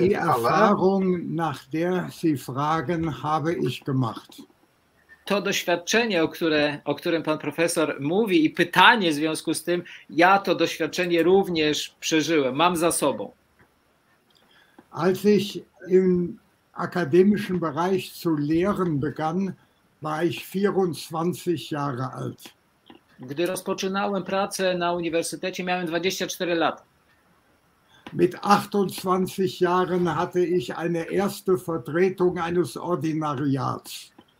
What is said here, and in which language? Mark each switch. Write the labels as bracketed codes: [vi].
[de] Die Erfahrung, nach der Sie fragen, habe ich gemacht. [pl] To doświadczenie, o którym pan profesor mówi i pytanie w związku z tym, ja to doświadczenie również przeżyłem, mam za sobą. [de] Als ich im akademischen Bereich zu lehren begann, war ich 24 Jahre alt. [pl] Gdy rozpoczynałem pracę na uniwersytecie, miałem 24 lata. [de] Mit 28 Jahren hatte ich eine erste Vertretung eines Ordinariats.